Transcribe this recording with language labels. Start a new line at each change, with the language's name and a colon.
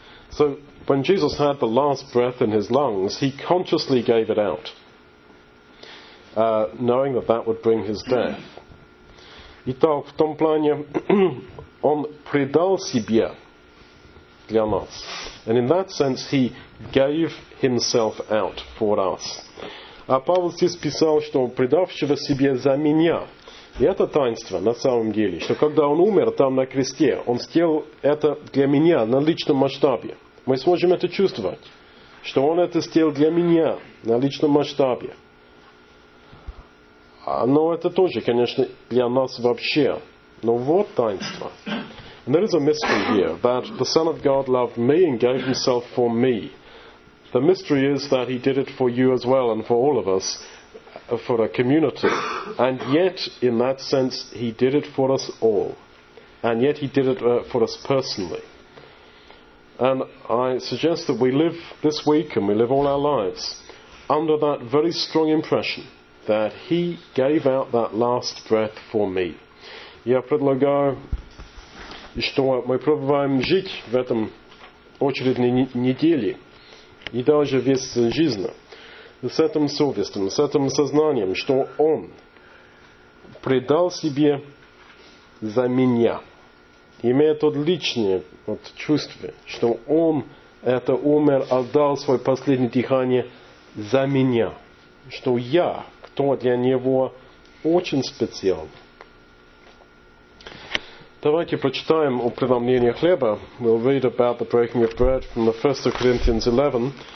English: So, when Jesus had the last breath in his lungs, he consciously gave it out, knowing that that would bring his death.
Russian: Итак, в том плане... Он предал себя для нас.
English: And in that sense, he gave himself out for us.
Russian: А Павел здесь писал, что предавшего себя за меня. И это таинство на самом деле, что когда он умер там на кресте, он сделал это для меня на личном масштабе. Мы сможем это чувствовать, что он это сделал для меня на личном масштабе. Но это тоже, конечно, для нас вообще. Но вот таинство.
English: And there is a mystery here, that the Son of God loved me and gave himself for me. The mystery is that he did it for you as well and for all of us, for a community. And yet, in that sense, he did it for us all. And yet he did it for us personally. And I suggest that we live this week and we live all our lives under that very strong impression that he gave out that last breath for me.
Russian: Я предлагаю, что мы пробуем жить в этом очередной неделе и даже весь жизнь с этим совестью, с этим сознанием, что он предал себе за меня, имея то личное вот чувство, что он это умер, отдал свое последнее дыхание за меня, что я, кто для него очень специальный. Давайте прочитаем о преломлении хлеба.
English: We'll read about the breaking of bread from the 1 Corinthians 11.